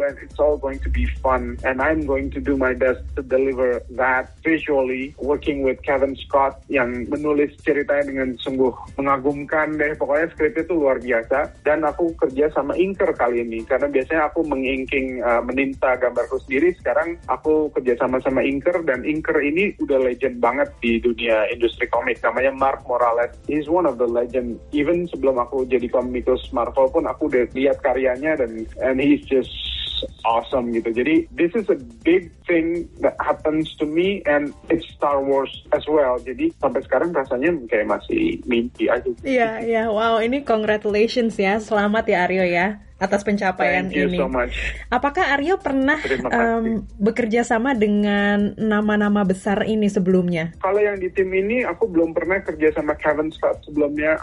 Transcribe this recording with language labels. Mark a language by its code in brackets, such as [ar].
[en] And it's all going to be fun. And I'm going to do my best to deliver that visually. Working with [id] Kevin Scott yang menulis ceritanya dengan sungguh mengagumkan deh. Pokoknya skripnya tuh luar biasa. Dan aku kerja sama inker kali ini. Karena biasanya aku menginking, meninta gambarku sendiri. Sekarang aku kerja sama inker. Dan inker ini udah legend banget di dunia industri komik, namanya Mark Morales. [en] He's one of the legend. [id] Even sebelum aku jadi komikus Marvel pun aku udah lihat karyanya [en] and he's just awesome [id] gitu. Jadi [en] this is a big thing that happens to me and it's Star Wars as well. [id] Jadi sampai sekarang rasanya kayak masih mimpi aja. Wow, ini congratulations ya. Selamat ya Aryo ya atas pencapaian ini. [en] Thank you so much. [id] Apakah Aryo pernah bekerja sama dengan nama-nama besar ini sebelumnya? Kalau yang di tim ini, aku belum pernah kerja sama Kevin Scott sebelumnya.